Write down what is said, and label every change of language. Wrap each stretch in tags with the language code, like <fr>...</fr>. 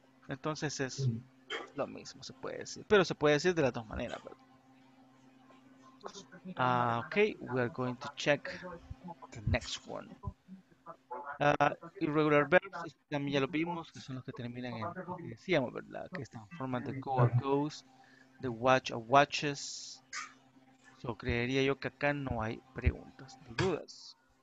<es>Entonces es lo mismo, se puede decir. Pero se puede decir de las dos maneras.</es> <en>Ok, we are going to check the next one.</en> <es>Irregular verbs, también ya lo vimos, que son los que terminan en, que decíamos, ¿verdad? Que están forman</es> <en>the go or goes, the watch or watches.</en> <es>So, creería yo que acá no hay preguntas ni dudas.</es>